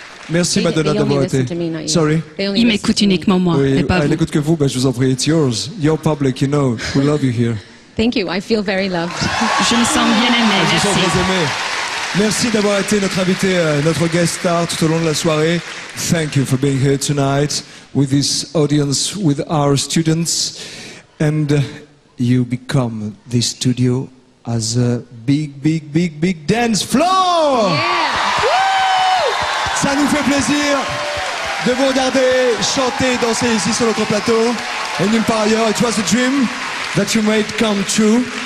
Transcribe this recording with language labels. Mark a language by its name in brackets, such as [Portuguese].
[French] Merci, Madonna, d'avoir été. [English] Sorry. [French] Il m'écoute uniquement moi, mais pas vous. Elle n'écoute que vous, ben je vous en prie. [English] It's yours. Your public, you know. We love you here. Thank you. I feel very loved. [French] Je me sens bien aimée. Merci. Je me sens très aimée. Merci d'avoir été notre invité, notre guest star tout au long de la soirée. [English] Thank you for being here tonight with this audience, with our students. And you become this studio as a big, big, big, big dance floor. Yeah. [French] Ça nous fait plaisir de vous regarder chanter, danser ici sur notre plateau. Et nulle part ailleurs, [English] it was a dream that you made come true.